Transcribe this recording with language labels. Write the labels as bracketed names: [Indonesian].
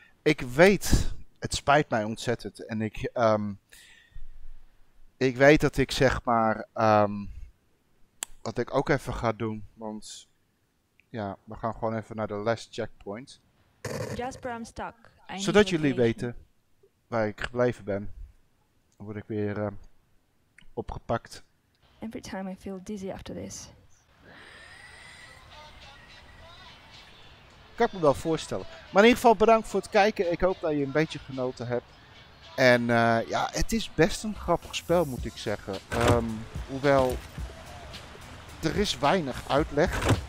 [Dutch] Ik weet, het spijt mij ontzettend. En ik weet dat ik zeg maar, wat ik ook even ga doen, want... Ja, we gaan gewoon even naar de last checkpoint. [English] Jasper, I'm stuck. [Dutch] Zodat jullie weten waar ik gebleven ben, word ik weer opgepakt. [English] Every time I feel dizzy after this. [Dutch] Kan ik me wel voorstellen. Maar in ieder geval bedankt voor het kijken. Ik hoop dat je een beetje genoten hebt. En ja, het is best een grappig spel, moet ik zeggen. Hoewel, er is weinig uitleg.